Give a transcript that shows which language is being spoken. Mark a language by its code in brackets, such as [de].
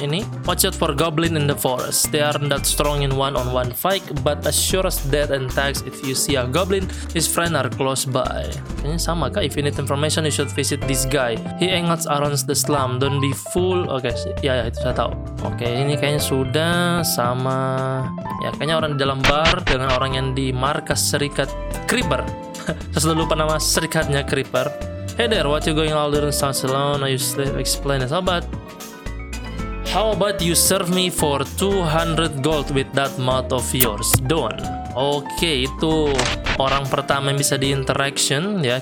[en] Ini, watch out for goblin in the forest. They aren't that strong in one-on-one fight, but as sure as death and tax, if you see a goblin, his friend are close by. [id] Kayaknya sama kah? [en] If you need information, you should visit this guy. He hangs around the slum. Don't be fool. [id] Oke, ya itu saya tahu. Oke, ini kayaknya sudah sama. Ya, kayaknya orang di dalam bar dengan orang yang di markas serikat Creeper. Saya sudah lupa nama serikatnya Creeper. [en] Hey there, what you going all during sounds alone? Are you slave? Explain this. How about you serve me for 200 gold with that mouth of yours? Don't. [id] Okay, itu orang pertama yang bisa di interaction ya.